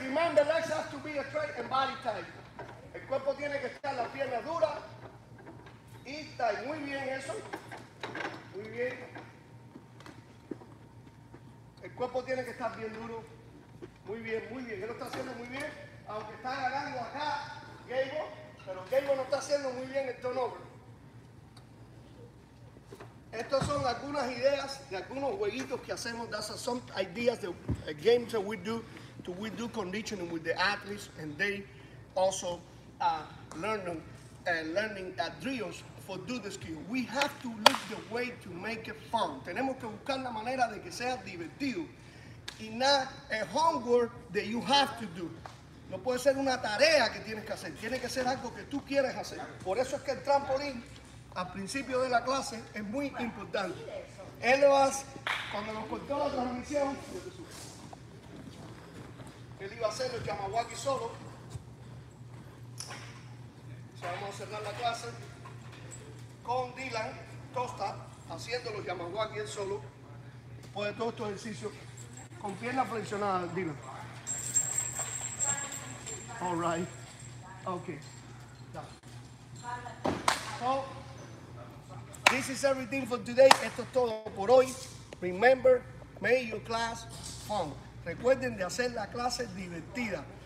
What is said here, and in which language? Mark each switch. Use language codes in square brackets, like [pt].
[en] Remember, legs have to be straight and body tight. [es] El cuerpo tiene que estar la pierna dura y tight. Muy bien eso. Muy bien. El cuerpo tiene que estar bien duro. Muy bien, muy bien. Él lo está haciendo muy bien, aunque está agarrando acá. Pero Gabo no está haciendo muy bien el turnover. Estas son algunas ideas de algunos jueguitos que hacemos. [en] That's some ideas, the games that we do conditioning with the athletes, and they also learning drills for do the skill. We have to look the way to make it fun. [es] Tenemos que buscar la manera de que sea divertido. [en] Y not a homework that you have to do. [es] No puede ser una tarea que tienes que hacer. Tiene que ser algo que tú quieres hacer. Por eso es que el trampolín, al principio de la clase, es muy importante. Él lo hace cuando nos cortó la transmisión. Él iba a hacer el Yamawaki solo. So vamos a cerrar la clase con Dylan Tosta haciendo los Yamawaki él solo. Después de todos estos ejercicios, con piernas flexionadas, Dylan. [en] All right. Okay. So, this is everything for today. [es] Esto es todo por hoy. [en] Remember, make your class fun. [es] Recuerden de hacer la clase divertida.